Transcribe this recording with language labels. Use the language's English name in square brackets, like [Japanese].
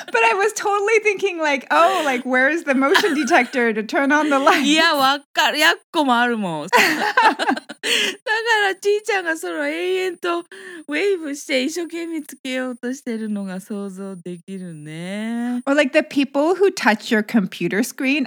[English] But I was totally thinking like, oh, like where is the motion detector to turn on the light? [Japanese] いや、わかる。やっこもあるもん。だからちーちゃんがそれを永遠とウェーブして一生懸命つけようとしてるのが想像できるね。 [English] Or like the people who touch your computer screen.